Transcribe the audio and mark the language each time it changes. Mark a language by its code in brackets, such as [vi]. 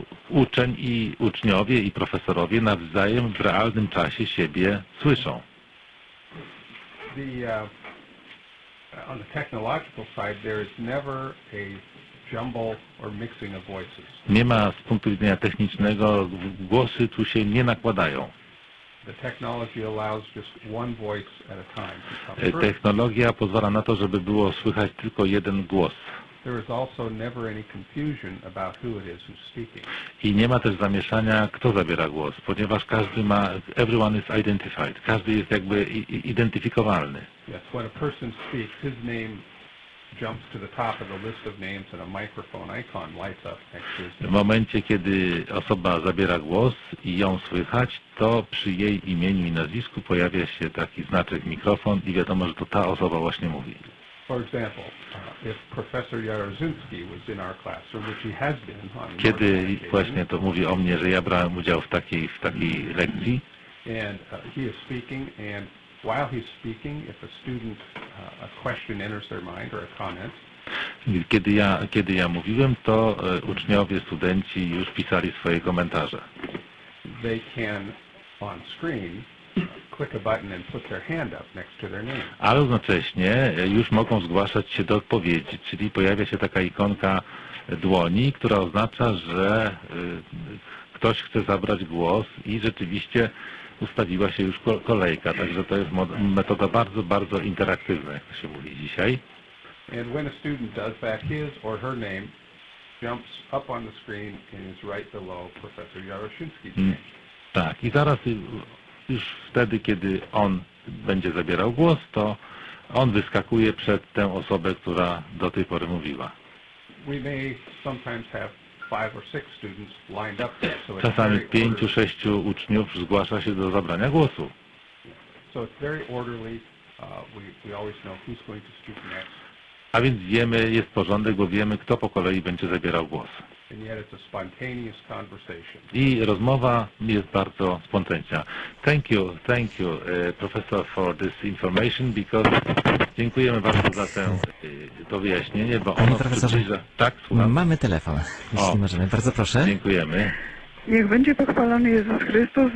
[pl] Uczeń i uczniowie i profesorowie nawzajem w realnym czasie siebie słyszą. [en] On the technological side, there is never a jumble or mixing of voices. [pl] Nie ma z punktu widzenia technicznego, głosy tu się nie nakładają. [en] The technology allows just one voice at a time. [pl] Technologia pozwala na to, żeby było słychać tylko jeden głos. [en] There is also never any confusion about who it is who's speaking. [pl] I nie ma też zamieszania, kto zabiera głos, ponieważ każdy ma, [en] everyone is identified. [pl] Każdy jest jakby identyfikowalny. [en] Yes, when a person speaks, his name jumps to the top of the list of names and a microphone icon lights up next to his [pl] name. W momencie, kiedy osoba zabiera głos i ją słychać, to przy jej imieniu i nazwisku pojawia się taki znaczek mikrofon i wiadomo, że to ta osoba właśnie mówi. [en] For example, if Professor Jaruzynski was in our classroom, which he has been on the [pl] Kiedy właśnie to mówi o mnie, że ja brałem udział w takiej lekcji. [en] And he is speaking, and while he's speaking, if a student a question enters their mind or a comment. [pl] Kiedy ja mówiłem, to uczniowie, studenci już pisali swoje komentarze. [en] They can on screen click a button and put their hand up next to their name. [pl] Ale równocześnie już mogą zgłaszać się do odpowiedzi, czyli pojawia się taka ikonka dłoni, która oznacza, że ktoś chce zabrać głos i rzeczywiście ustawiła się już kolejka, także to jest metoda bardzo, bardzo interaktywna, jak to się mówi dzisiaj. [en] And when a student does that, his or her name jumps up on the screen and is right below Professor Jaruzynski's name. [pl] Tak, i zaraz już wtedy, kiedy on będzie zabierał głos, to on wyskakuje przed tę osobę, która do tej pory mówiła. [en] We may sometimes have five or six students lined up there, so [pl] Czasami pięciu, sześciu uczniów zgłasza się do zabrania głosu. [en] So it's very orderly. We always know who's going to speak next. [pl] A więc wiemy, jest porządek, bo wiemy, kto po kolei będzie zabierał głos. [en] And yet it's a spontaneous conversation. [pl] I rozmowa jest bardzo spontaniczna. [en] Thank you, professor, for this information, because [pl] dziękujemy bardzo za to wyjaśnienie, bo ono przybliża... Tak, słucham. Mamy telefon, jeśli możemy. Bardzo proszę. Dziękujemy. Niech będzie pochwalony Jezus Chrystus.